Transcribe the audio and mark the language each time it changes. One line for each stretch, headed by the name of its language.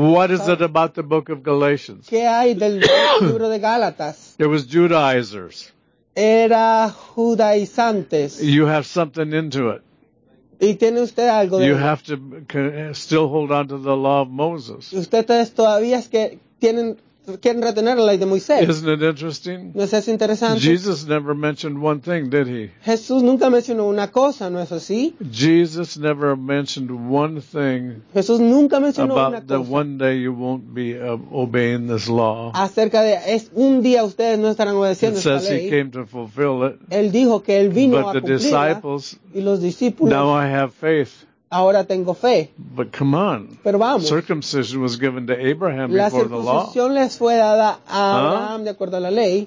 English: What is it about the book of Galatians?
Spanish: ¿Qué hay del libro de Gálatas?
English: There was Judaizers.
Spanish: Era judaizantes.
English: You have something into it.
Spanish: ¿Y tiene usted algo de
English: you have to still hold on to the law of Moses.
Spanish: ¿Ustedes todavía es que tienen, quieren retener la ley de Moisés?
English: Isn't it interesting?
Spanish: ¿No es eso interesante?
English: Jesus never mentioned one thing, did he?
Spanish: Jesús nunca mencionó una cosa, ¿no es así?
English: Jesus never mentioned one thing.
Spanish: Jesús nunca mencionó
English: about
Spanish: una
English: the One day you won't be obeying this law.
Spanish: Acerca de es un día ustedes no estarán obedeciendo
English: it says
Spanish: esta ley.
English: He came to fulfill it.
Spanish: Él dijo que él vino
English: but
Spanish: a cumplirla.
English: The disciples,
Spanish: y los discípulos.
English: Now I have faith.
Spanish: Ahora tengo fe.
English: But come on.
Spanish: Pero vamos.
English: Circumcision was given to Abraham
Spanish: la
English: before the law.
Spanish: La circuncisión les fue dada a Abraham de acuerdo a la ley.